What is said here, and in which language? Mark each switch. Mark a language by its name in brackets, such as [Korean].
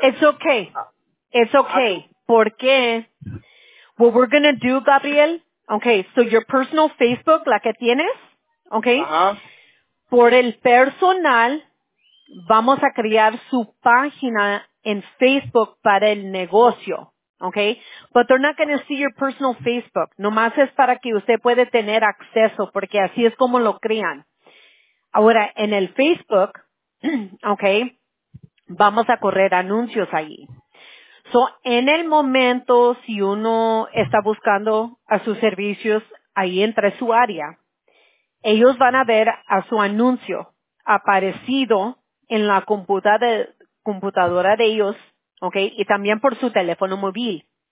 [English] It's okay. It's okay. [Spanish] ¿Por qué? [English] What we're gonna do, Gabriel, okay, so your personal Facebook, [Spanish] la que tienes, [English] okay, ajá. [Spanish] Por el personal... vamos a crear su página en Facebook para el negocio, okay? [English] But they're not going to see your personal Facebook. [Spanish] Nomás es para que usted puede tener acceso, porque así es como lo crean. Ahora, en el Facebook, okay, vamos a correr anuncios allí. So, en el momento, si uno está buscando a sus servicios ahí entre su área, ellos van a ver a su anuncio aparecido en la computadora de ellos, okay, y también por su teléfono móvil.